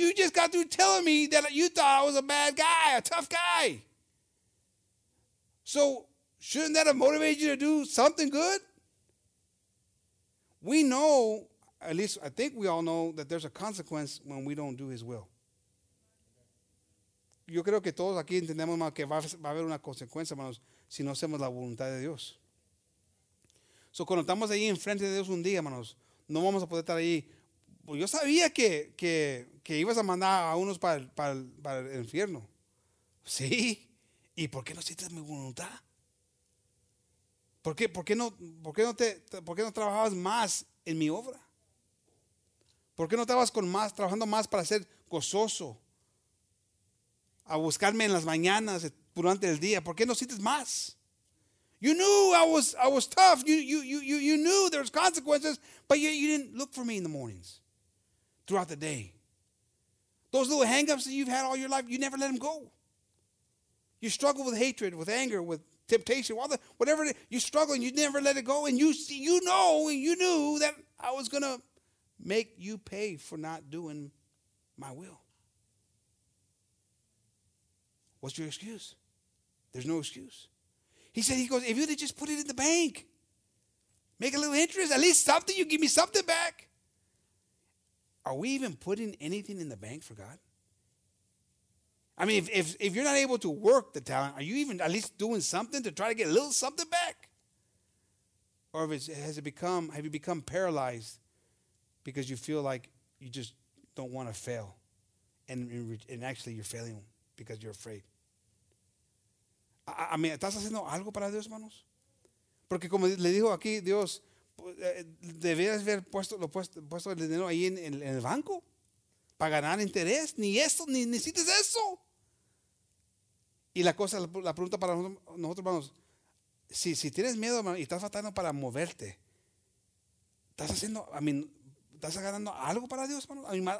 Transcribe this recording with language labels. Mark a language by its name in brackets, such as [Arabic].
[English] You just got through telling me that you thought I was a bad guy, a tough guy. So shouldn't that have motivated you to do something good? We know, at least I think we all know, that there's a consequence when we don't do his will. [Spanish] Yo creo que todos aquí entendemos, hermano, que va a haber una consecuencia, hermanos, si no hacemos la voluntad de Dios. So, cuando estamos ahí enfrente de Dios un día, hermanos, no vamos a poder estar ahí. Pues yo sabía que ibas a mandar a unos para el infierno. Sí. ¿Y por qué no hiciste mi voluntad? ¿Por qué no trabajabas más en mi obra? ¿Por qué no estabas trabajando más para ser gozoso? A buscarme en las mañanas durante el día. ¿Por qué no sientes más? [English] You knew I was tough. You knew there's consequences, but yet you didn't look for me in the mornings, throughout the day. Those little hang-ups that you've had all your life, you never let them go. You struggle with hatred, with anger, with temptation, whatever it is, you struggle and you never let it go. And you knew that I was gonna make you pay for not doing my will. What's your excuse? There's no excuse. He goes, if you'd have just put it in the bank, make a little interest, at least something, you give me something back. Are we even putting anything in the bank for God? I mean, if you're not able to work the talent, are you even at least doing something to try to get a little something back? Or have you become paralyzed because you feel like you just don't want to fail? And actually you're failing because you're afraid. I mean, [Spanish] ¿estás haciendo algo para Dios, hermanos? Porque como le dijo aquí Dios, debías haber puesto el dinero ahí en el banco para ganar interés. Ni eso, ni necesitas eso. Y la cosa, la pregunta para nosotros, hermanos, si tienes miedo, hermano, y estás faltando para moverte, ¿estás ganando algo para Dios, hermano?